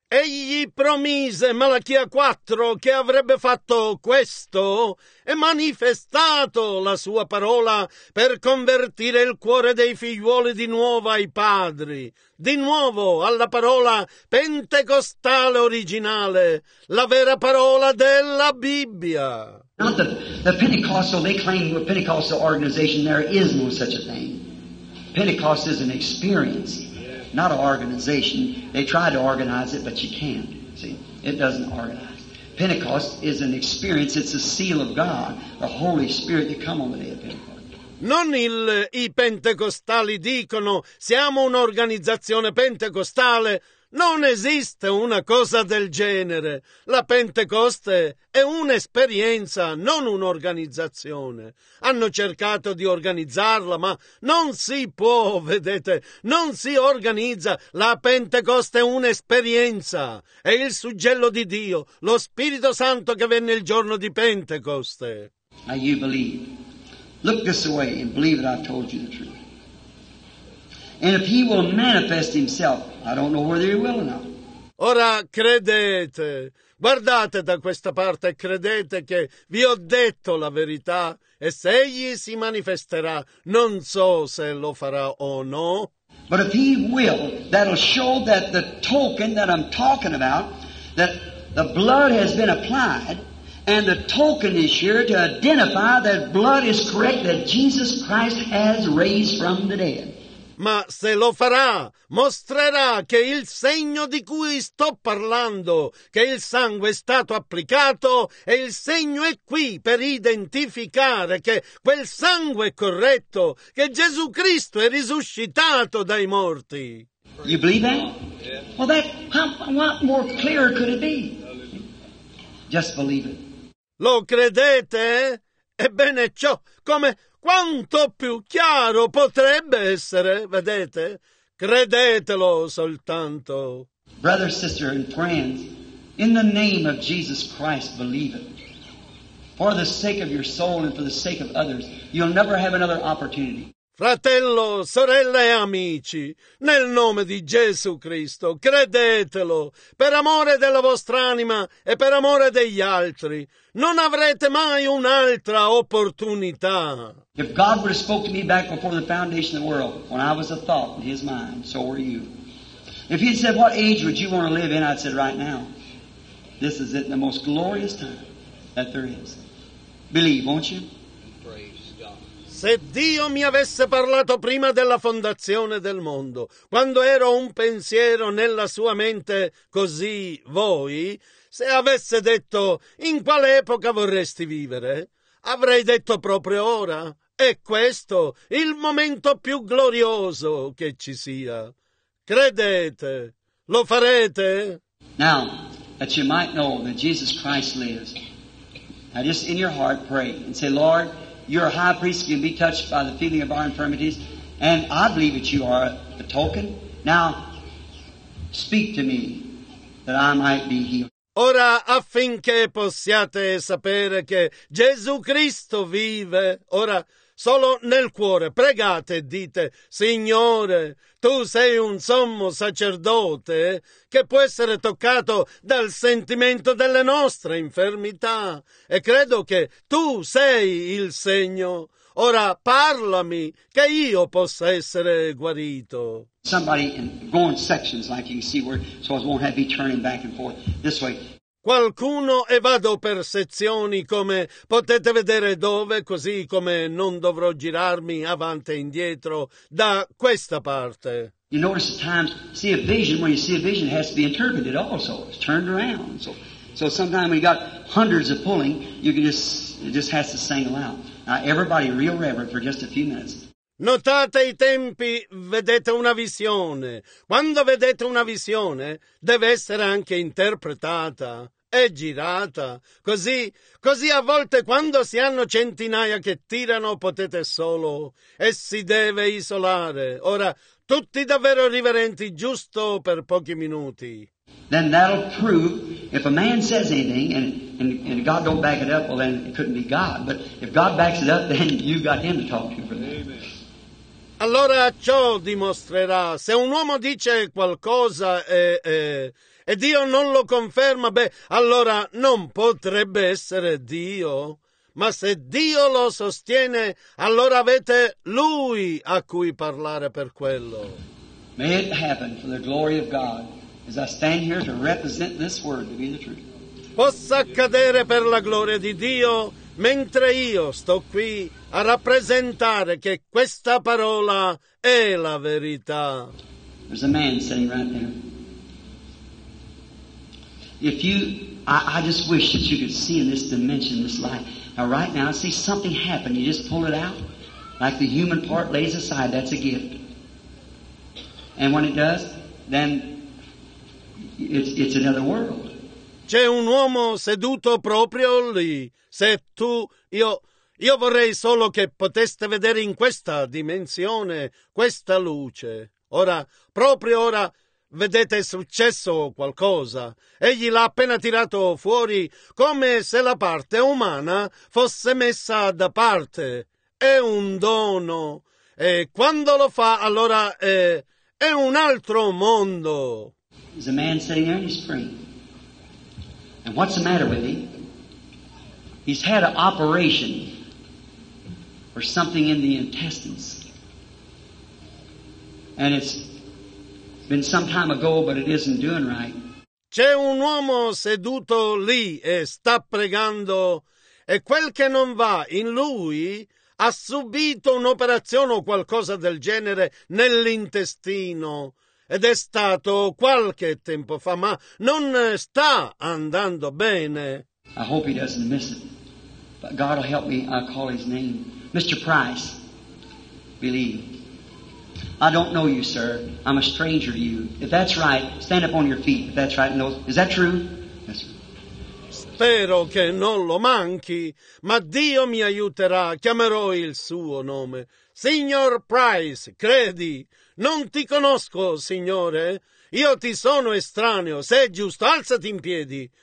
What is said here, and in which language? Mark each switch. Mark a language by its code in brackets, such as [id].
[it] Egli promise Malachia 4 che avrebbe fatto questo e manifestato la sua parola per convertire il cuore dei figliuoli di nuovo ai padri, di nuovo alla parola pentecostale originale, la vera parola della Bibbia. [en] Not the Pentecostal, they claim the Pentecostal organization, there is no such a thing. Pentecost is an experience. Not an organization. They try to organize it, but you can't. See, it doesn't organize. Pentecost is an experience. It's a seal of God, the Holy Spirit that come on the day of Pentecost. [it] Non i pentecostali dicono siamo un'organizzazione pentecostale. Non esiste una cosa del genere. La Pentecoste è un'esperienza, non un'organizzazione. Hanno cercato di organizzarla, ma non si può, vedete, non si organizza. La Pentecoste è un'esperienza. È il suggello di Dio, lo Spirito Santo che venne il giorno di Pentecoste. [en] Now you believe. Look this way and believe that I told you the truth. And if he will manifest himself, I don't know whether he will or not. [it] Ora credete, guardate da questa parte e credete che vi ho detto la verità, e se egli si manifesterà, non so se lo farà o no. [en] But if he will, that'll show that the token that I'm talking about, that the blood has been applied, and the token is here to identify that blood is correct, that Jesus Christ has raised from the dead. [it] Ma se lo farà, mostrerà che il segno di cui sto parlando, che il sangue è stato applicato, e il segno è qui per identificare che quel sangue è corretto, che Gesù Cristo è risuscitato dai morti. [en] You believe that? Well, that, how what more clear could it be? Just believe it. [it] Lo credete? Ebbene ciò, come... Quanto più chiaro potrebbe essere, vedete? Credetelo soltanto. [en] Brother, sister, and friends, in the name of Jesus Christ, believe it. For the sake of your soul and for the sake of others, you'll never have another opportunity. [it] Fratello, sorella e amici, nel nome di Gesù Cristo, credetelo, per amore della vostra anima e per amore degli altri, non avrete mai un'altra opportunità. [en] If God would have spoken to me back before the foundation of the world, when I was a thought in his mind, so were you. If he had said, what age would you want to live in? I'd said, right now. This is it, the most glorious time that there is. Believe, won't you? [it] Se Dio mi avesse parlato prima della fondazione del mondo, quando ero un pensiero nella sua mente, così voi, se avesse detto in quale epoca vorresti vivere, avrei detto proprio ora. È questo il momento più glorioso che ci sia. Credete, lo farete? [en] Now, that you might know that Jesus Christ lives, now just in your heart pray and say, Lord, your high priest can be touched by the feeling of our infirmities, and I believe that you are the token. Now, speak to me that I might be healed. [it] Ora, affinché possiate sapere che Gesù Cristo vive, ora, solo nel cuore, pregate e dite, Signore, tu sei un sommo sacerdote che può essere toccato dal sentimento delle nostre infermità e credo che tu sei il segno. Ora parlami che io possa essere guarito. [en] Somebody in going sections like you can see where so I won't have to be turning back and forth this way. [it] Qualcuno e vado per sezioni come potete vedere dove, così come non dovrò girarmi avanti e indietro da questa parte. [en] You notice at times, see a vision, when you see a vision it has to be interpreted also, it's turned around. So sometimes when you got hundreds of pulling, you can it just has to single out. Now everybody real reverent for just a few minutes. [it] Notate i tempi, vedete una visione. Quando vedete una visione, deve essere anche interpretata e girata. Così a volte quando si hanno centinaia che tirano, potete solo e si deve isolare. Ora, tutti davvero riverenti, giusto per pochi minuti. [en] Then that'll prove, if a man says anything and God don't back it up, well then it couldn't be God. But if God backs it up, then you've got him to talk to for that. [it] Allora ciò dimostrerà, se un uomo dice qualcosa e Dio non lo conferma, beh, allora non potrebbe essere Dio. Ma se Dio lo sostiene, allora avete Lui a cui parlare per quello. [en] May it happen for the glory of God, as I stand here to represent this word to be the truth. [it] Possa accadere per la gloria di Dio, mentre io sto qui a rappresentare che questa parola è la verità. [en] There's a man sitting right there. If you, I just wish that you could see in this dimension, this life. Now right now, see something happen, you just pull it out, like the human part lays aside, that's a gift. And when it does, then it's another world. [it] C'è un uomo seduto proprio lì. Se tu, io vorrei solo che poteste vedere in questa dimensione questa luce. Ora, proprio ora, vedete, è successo qualcosa. Egli l'ha appena tirato fuori come se la parte umana fosse messa da parte. È un dono. E quando lo fa, allora è un altro mondo. [en] There's a man sitting there and he's praying. And what's the matter with him? He's had an operation or something in the intestines. And it's been some time ago, but it isn't doing right. [it] C'è un uomo seduto lì e sta pregando e quel che non va in lui ha subito un'operazione o qualcosa del genere nell'intestino ed è stato qualche tempo fa, ma non sta andando bene. [en] I hope he doesn't miss it, but God will help me. I'll call his name. Mr. Price, believe. I don't know you, sir. I'm a stranger to you. If that's right, stand up on your feet. If that's right, no. Is that true? Yes, sir. [it] Spero che non lo manchi, ma Dio mi aiuterà. Chiamerò il suo nome. Signor Price, credi? Non ti conosco, signore. Io ti sono estraneo. Se è giusto, alzati in piedi.